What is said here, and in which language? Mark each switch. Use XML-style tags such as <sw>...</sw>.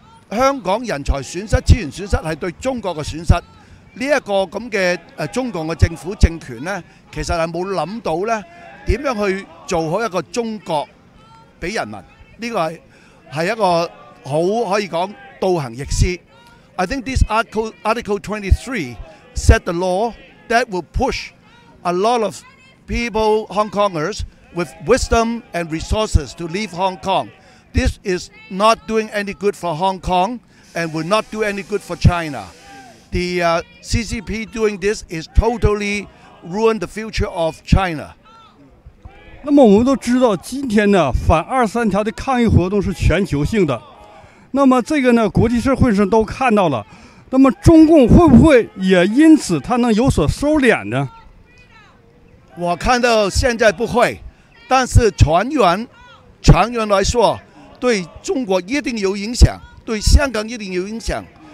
<zh>香港人才損失、資源損失是對中國的損失。這個中共的政府政權呢，其實是沒有想到呢怎樣去做好一個中國給人民，這個 是一個很可以說倒行逆施。</zh> <en>I think this article 23 set the law that will push a lot of people, Hong Kongers with wisdom and resources to leave Hong KongThis is not doing any good for Hong Kong and will not do any good for China. The CCP doing this is totally ruin the future of China.</en> <zh>那么我们都知道今天呢，反23条的抗议活动是全球性的。那么这个呢，国际社会上都看到了。那么中共会不会也因此他能有所收敛呢？我看到现在不会，但是长远来说，对中国一定有影响，对香港一定有影响。</zh>